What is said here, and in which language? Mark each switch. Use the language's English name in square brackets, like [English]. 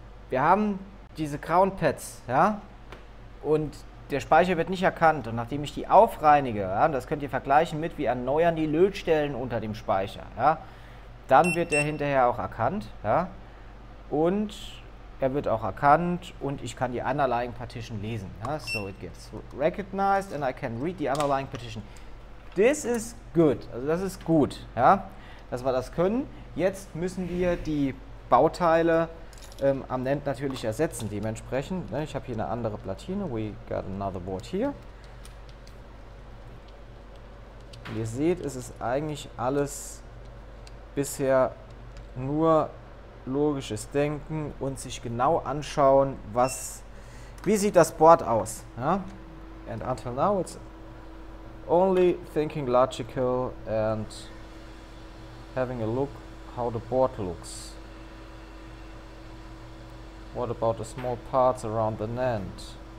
[German] Wir haben diese grauen Pads, ja? Und der Speicher wird nicht erkannt. Und nachdem ich die aufreinige, ja, das könnt ihr vergleichen mit, wie erneuern die Lötstellen unter dem Speicher, ja? Dann wird der hinterher auch erkannt, ja? Und er wird auch erkannt und ich kann die [English] underlying partition [German] lesen. Ja? [English] So it gets recognized and I can read the underlying partition. This is good. [German] Also das ist gut, ja? Dass wir das können. Jetzt müssen wir die Bauteile am NAND natürlich ersetzen dementsprechend. Ne? Ich habe hier eine andere Platine. [English] We got another board here. [German] Wie ihr seht, es ist eigentlich alles bisher nur logisches Denken und sich genau anschauen, was, wie sieht das Board aus. Ja? [English] And until now it's only thinking logical and having a look how the board looks. What about the small parts around the NAND?